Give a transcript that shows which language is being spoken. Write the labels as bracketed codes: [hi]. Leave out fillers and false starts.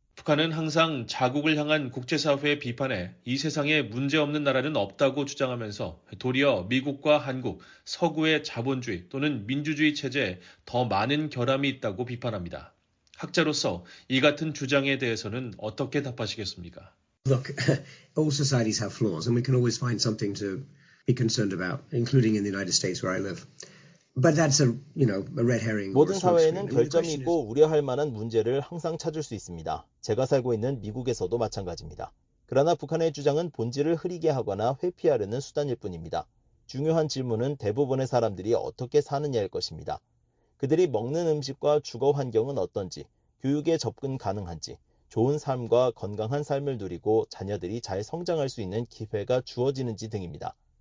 [ko] 북한은 항상 자국을 향한 국제사회의 비판에 이 세상에 문제없는 나라는 없다고 주장하면서 도리어 미국과 한국, 서구의 자본주의 또는 민주주의 체제에 더 많은 결함이 있다고 비판합니다. 학자로서 이 같은 주장에 대해서는 어떻게 답하시겠습니까? [en] Look, all societies have flaws, and we can always find something to be concerned about, including in the United States where I live. But that's a, you know, a red herring. [ko] 모든 사회에는 결점이 있고 우려할 만한 문제를 항상 찾을 수 있습니다. 제가 살고 있는 미국에서도 마찬가지입니다. 그러나 북한의 주장은 본질을 흐리게 하거나 회피하려는 수단일 뿐입니다. 중요한 질문은 대부분의 사람들이 어떻게 사느냐일 것입니다. 그들이 먹는 음식과 주거 환경은 어떤지, 교육에 접근 가능한지, 좋은 삶과 건강한 삶을 누리고 자녀들이 잘 성장할 수 있는 기회가 주어지는지 등입니다.